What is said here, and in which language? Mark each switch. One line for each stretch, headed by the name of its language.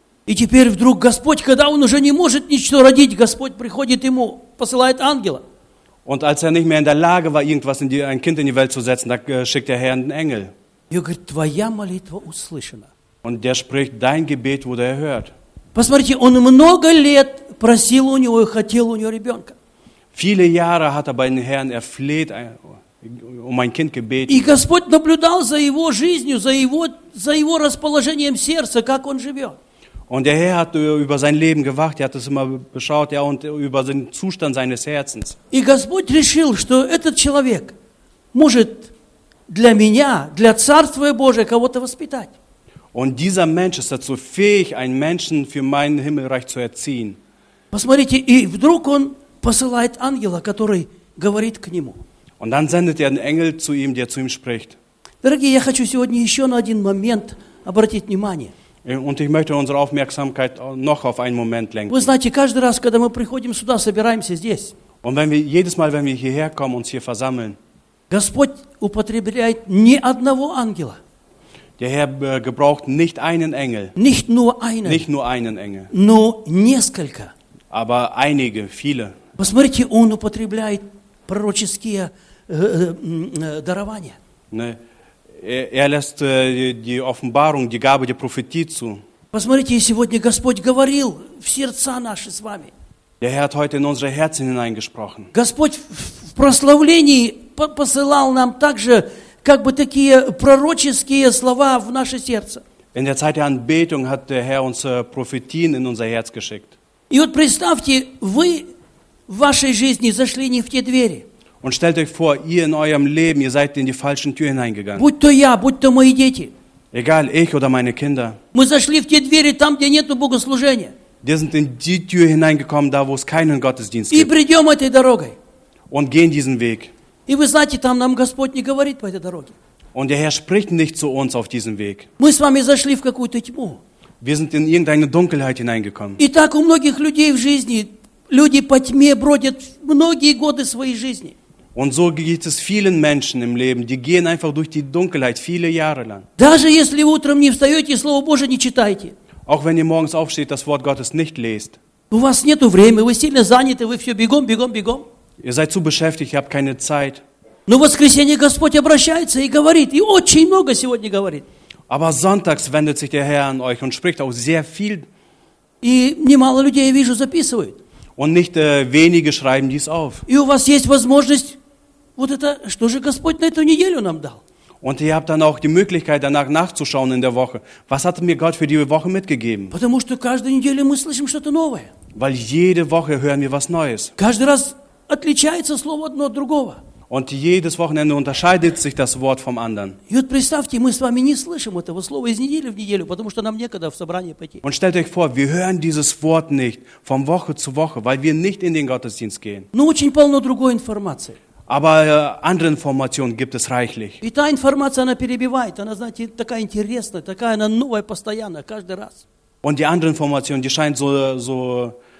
Russian: И теперь вдруг Господь, когда он уже не может ничего родить, Господь приходит ему, посылает ангела.
German: Und als er nicht mehr in der Lage war, irgendwas in die, ein Kind in die Welt zu setzen, da schickt der Herr einen Engel.
Russian: И говорит: твоя молитва услышана.
German: Und der spricht: dein Gebet wurde erhört.
Russian: Посмотрите, он много лет просил у него и хотел у него ребенка.
German: Viele Jahre hat er bei den Herrn erfleht, um ein Kind gebeten.
Russian: И Господь наблюдал за его жизнью, за его расположением сердца, как он живет.
German: Und der Herr hat über sein Leben gewacht, er hat es immer beschaut, ja, und über den Zustand seines Herzens.
Russian: И Господь решил, что этот человек может для меня, для Царства Божия кого-то воспитать.
German: Und dieser Mensch ist dazu fähig, einen Menschen für mein Himmelreich zu erziehen.
Russian: Посмотрите, и вдруг он посылает ангела, который говорит к нему.
German: Und dann sendet er einen Engel zu ihm, der zu ihm spricht.
Russian: Дорогие, я хочу сегодня еще на один момент обратить внимание.
German: Und ich möchte unsere Aufmerksamkeit noch auf einen Moment lenken.
Russian: Вы знаете, каждый раз, когда мы приходим сюда, собираемся здесь.
German: Und wenn wir, jedes Mal, wenn wir hierher kommen, uns hier versammeln.
Russian: Господь употребляет не одного ангела.
German: Der Herr gebraucht nicht einen Engel. Nicht nur einen. Nicht nur einen Engel.
Russian: Но несколько.
German: Aber einige, viele.
Russian: Посмотрите, он употребляет пророческие дарования.
German: Er lässt die Offenbarung, die Gabe der Prophetie zu.
Russian: Посмотрите, сегодня Господь говорил в сердца наши с вами.
German: Der Herr hat heute in unsere Herzen hineingesprochen.
Russian: Господь в прославлении посылал нам также как бы такие пророческие слова в наше сердце.
German: In der Zeit der Anbetung hat der Herr uns Prophetien in unser Herz geschickt.
Russian: И вот представьте, вы в вашей жизни зашли не в те двери.
German: Und stellt euch vor, ihr in eurem Leben, ihr seid in die falschen Türen hineingegangen.
Russian: Будь то я, будь то мои дети.
German: Egal, ich oder meine Kinder.
Russian: Мы зашли в те двери, там, где нету богослужения.
German: Wir sind in die Tür hineingekommen, da, wo es keinen Gottesdienst gibt.
Russian: И придем этой дорогой.
German: Und gehen diesen Weg.
Russian: И вы знаете, там нам Господь не говорит по этой дороге.
German: Und der Herr spricht nicht zu uns auf diesem Weg.
Russian: Мы с вами зашли в какую-то тьму.
German: Wir sind in irgendeine Dunkelheit hineingekommen.
Russian: И так у многих людей в жизни, люди по тьме бродят многие годы своей жизни.
German: Und so geht es vielen Menschen im Leben, die gehen einfach durch die Dunkelheit viele Jahre lang.
Russian: Даже если вы утром не встаете и Слово Божие не читаете.
German: Auch wenn ihr morgens aufsteht, das Wort Gottes nicht lest.
Russian: У вас нету времени, вы сильно заняты, вы все бегом, бегом, бегом.
German: Ihr seid zu beschäftigt, ihr habt keine Zeit.
Russian: Но в воскресенье Господь обращается и говорит, и очень много сегодня говорит.
German: Aber sonntags wendet sich der Herr an euch und spricht auch sehr viel.
Russian: И немало людей, я вижу, записывают.
German: Und nicht wenige schreiben dies auf.
Russian: И у вас есть возможность. Вот это, что же Господь на эту неделю нам дал?
German: Und ihr habt dann auch die Möglichkeit, danach nachzuschauen in der Woche. Was hat mir Gott für die Woche mitgegeben?
Russian: Потому что каждую неделю мы слышим что-то новое.
German: Weil jede Woche hören wir was Neues.
Russian: Каждый раз отличается слово одно от другого.
German: Und jedes Wochenende unterscheidet sich das Wort vom anderen.
Russian: Вот представьте, мы с вами не слышим этого слова из недели в неделю, потому что нам некогда в собрание пойти.
German: Und stellt euch vor, wir hören dieses Wort nicht von Woche zu Woche, weil wir nicht in den Gottesdienst gehen.
Russian: Но очень полно другой информации.
German: Aber andere Informationen gibt es reichlich.
Russian: И та информация, она перебивает, она, знаете, такая интересная, такая она новая постоянно, каждый раз.
German: Und die andere Information, die scheint so